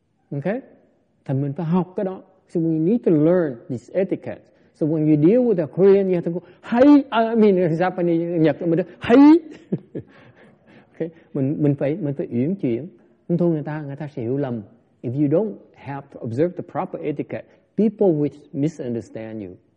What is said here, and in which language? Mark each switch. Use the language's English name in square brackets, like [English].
[Vietnamese] Ok, thì mình phải học cái đó. [English] So we need to learn this etiquette. So when you deal with a Korean, you have to go hi. I mean Japanese, [Vietnamese] Nhật, mình nói hi. Ok, mình phải uyển chuyển. Không thôi người ta sẽ hiểu lầm. [English] If you don't have to observe the proper etiquette, people will misunderstand you.